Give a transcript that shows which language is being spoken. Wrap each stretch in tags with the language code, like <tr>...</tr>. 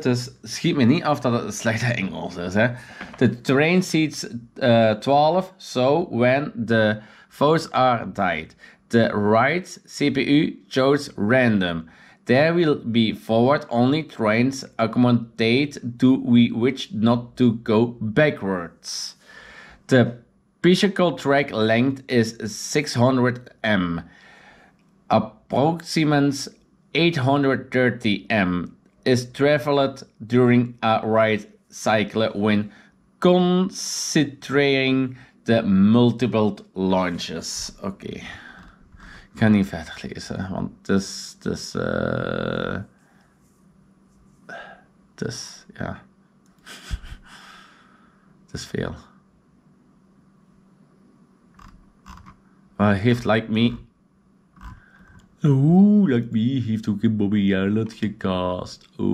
<nl>Dus schiet me niet af dat het slechte Engels is, hè.</nl> <en>The train seats 12, so when the votes are tied. The right CPU chose random. There will be forward only trains accommodate to we wish not to go backwards. The physical track length is 600 m. Approximately 830 m is traveled during a ride cycle when considering the multiple launches. Okay.</en> <nl>Ik ga niet verder lezen, want het is veel. Maar heeft Like Me... Oeh, Like Me heeft ook in Bobby Yarlot gecast.</nl>